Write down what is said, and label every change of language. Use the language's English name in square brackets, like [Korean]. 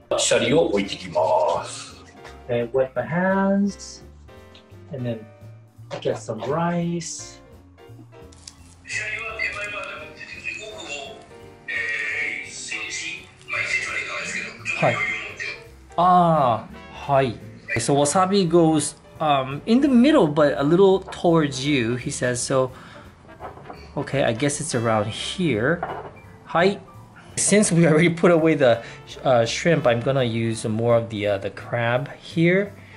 [Japanese] シャリを置いていきます。 [English] Then wet my hands and then get some rice. [Japanese] シャリは手前まで持っていくと奥を1センチぐらいなんですけど、ちょっと余裕を持って。はい。ああ、はい。 [English] So wasabi goes in the middle but a little towards you, he says. So okay, I guess it's around here. Hi. Since we already put away the shrimp, I'm gonna use more of the crab here.